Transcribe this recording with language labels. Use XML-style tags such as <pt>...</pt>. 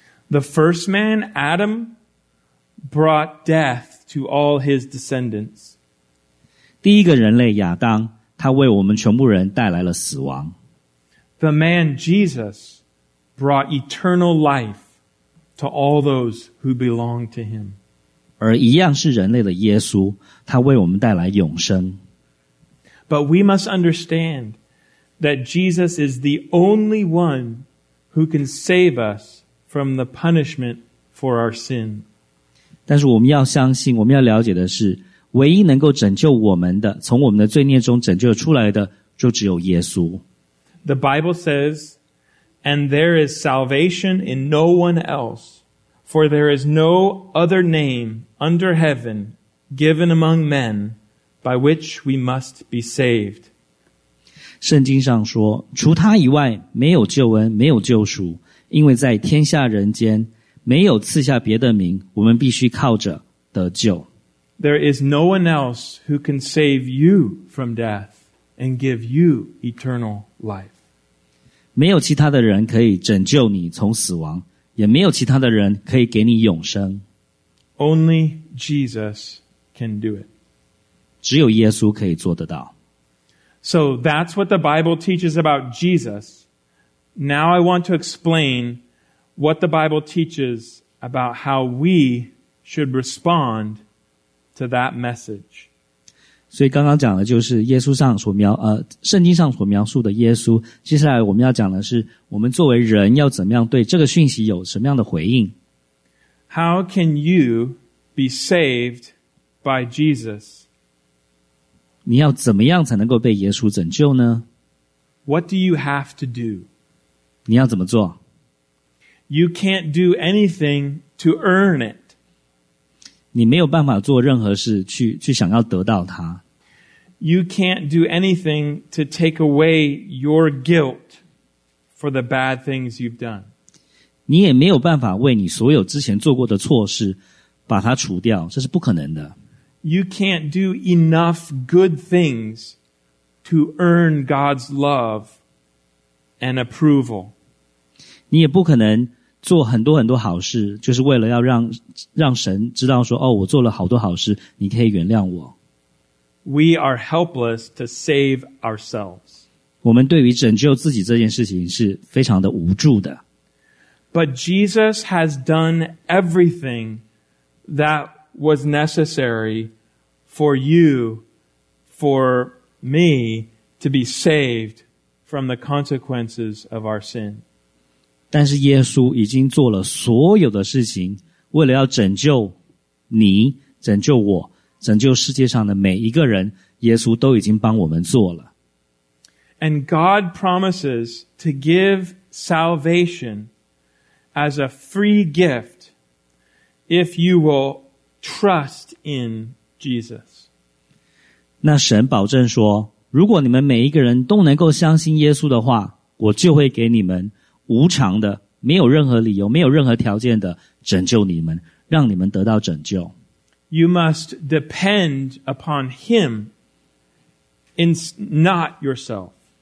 <en>The first man, Adam, brought death to all his descendants.</en> <zh>第一个人类亚当，他为我们全部人带来了死亡。</zh> <en>the man Jesus brought eternal life to all those who belong to him.</en> <zh>而一样是人类的耶稣，他为我们带来永生。</zh> <en>But we must understand that Jesus is the only one who can save us from the punishment for our sin.</en> <zh>但是我们要相信，我们要了解的是，唯一能够拯救我们的，从我们的罪孽中拯救出来的，就只有耶稣。</zh> <en>The Bible says, and there is salvation in no one else, for there is no other name under heaven given among men by which we must be saved.</en> <zh>圣经上说，除他以外，没有救恩，没有救赎，因为在天下人间，没有赐下别的名，我们必须靠着得救。</zh> <en>There is no one else who can save you from death and give you eternal life.</en> <zh>没有其他的人可以拯救你从死亡，也没有其他的人可以给你永生。</zh> <en>Only Jesus can do it.</en> <zh>只有耶稣可以做得到。</zh> <en>So that's what the Bible teaches about Jesus. Now I want to explain what the Bible teaches about how we should respondto that message.</en> <zh>所以刚刚讲的就是耶稣上所描圣经上所描述的耶稣，接下来我们要讲的是我们作为人要怎么样对这个讯息有什么样的回应。</zh> <en>How can you be saved by Jesus?</en> <zh>你要怎么样才能够被耶稣拯救呢？</zh> <en>What do you have to do?</en> <zh>你要怎么做？</zh> <en>You can't do anything to earn it.</en> <zh>你没有办法做任何事去想要得到它。</zh> <en>You can't do anything to take away your guilt for the bad things you've done.</en> <zh>你也没有办法为你所有之前做过的错事把它除掉，这是不可能的。</zh> <en>You can't do enough good things to earn God's love and approval.</en> <zh>你也不可能做很多很多好事，就是为了要让神知道说，哦，我做了好多好事，你可以原谅我。</zh> <en>We are helpless to save ourselves.</en> <zh>我们对于拯救自己这件事情是非常的无助的。</zh> <en>But Jesus has done everything that was necessary for you, for me, to be saved from the consequences of our sin.</en> <zh>但是耶稣已经做了所有的事情，为了要拯救你，拯救我，拯救世界上的每一个人，耶稣都已经帮我们做了。</zh> <en>And God promises to give salvation as a free gift if you will trust in Jesus.</en> <zh>那神保证说，如果你们每一个人都能够相信耶稣的话，我就会给你们无偿的，没有任何理由，没有任何条件的拯救你们，让你们得到拯救。</zh> <en>You must depend upon him, not yourself.</en>